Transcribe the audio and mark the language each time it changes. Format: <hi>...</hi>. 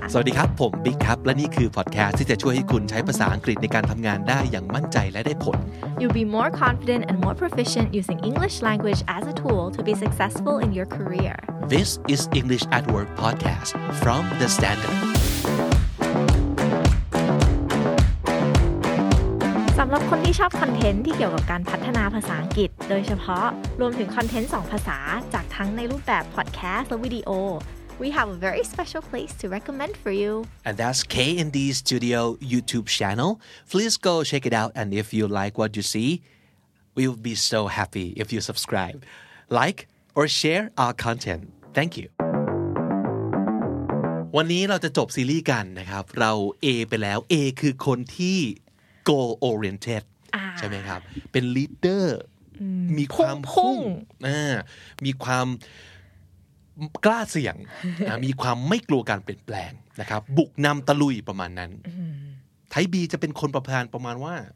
<th>สวัสดีครับผมบิ๊กครับและนี่คือพอดแคสต์ที่จะช่วยให้คุณใช้ภาษาอังกฤษในการทำงานได้อย่างมั่นใจและได้ผล</th> <en>You'll be more confident and more proficient using English language as a tool to be successful in your career This is English at Work Podcast from The Standard</en> <th>สำหรับคนที่ชอบคอนเทนต์ที่เกี่ยวกับการพัฒนาภาษาอังกฤษโดยเฉพาะรวมถึงคอนเทนต์สองภาษาจากทั้งในรูปแบบพอดแคสต์และวิดีโอ</th> <en>We have a very special place to recommend for you. And that's K&D Studio YouTube channel. Please go check it out. And if you like what you see, we'll be so happy if you subscribe, like, or share our content. Thank you.</en> <th>วันนี้เราจะจบซีรีส์กันนะครับเรา A ไปแล้ว A คือคนที่</th> <en>goal oriented</en> <th>ใช่ไหมครับเป็น leader มี ความ พุ่ง มีความกล้าเสี่ยงมีความไม่กลัวการเปลี่ยนแปลงนะครับบุกนำตะลุยประมาณนั้นไทยบีจะเป็นคนประพานประมาณว่า</th>